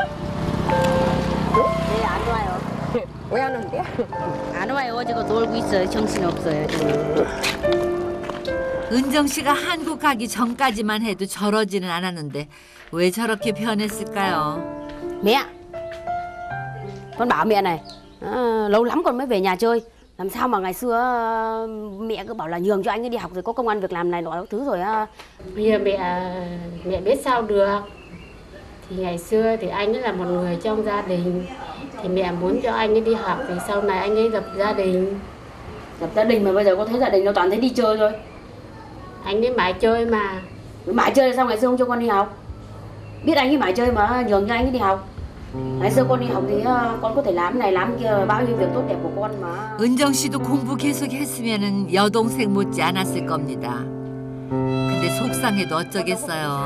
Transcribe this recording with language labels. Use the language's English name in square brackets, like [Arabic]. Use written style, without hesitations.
[Korean] 네, 안 와요. 왜 안 온대? 안 와요. 지금 놀고 있어요. 정신없어요. 은정 씨가 한국 가기 전까지만 해도 저러지는 않았는데 왜 저렇게 변했을까요? 매야, 그건 마음이 안 해. [Vietnamese] lâu lắm con mới về nhà chơi. Làm sao mà ngày xưa mẹ cứ bảo là nhường cho anh ấy đi học rồi có công ăn việc làm này nọ thứ rồi. Bây giờ mẹ biết sao được. Thì ngày xưa thì anh ấy là một người trong gia đình. Thì mẹ muốn cho anh ấy đi học thì sau này anh ấy lập gia đình. Lập gia đình mà bây giờ có thấy gia đình đâu, toàn thấy đi chơi thôi. Anh ấy mãi chơi mà. Mãi chơi sao ngày xưa không cho con đi học? Biết anh ấy mãi chơi mà nhường cho anh ấy đi học. Ngày xưa con đi học thì con có thể làm này làm kia bao nhiêu việc tốt đẹp của con mà. [Korean] 은정 씨도 공부 계속 했으면은 여동생 못지 않았을 겁니다. 근데 속상해도 어쩌겠어요.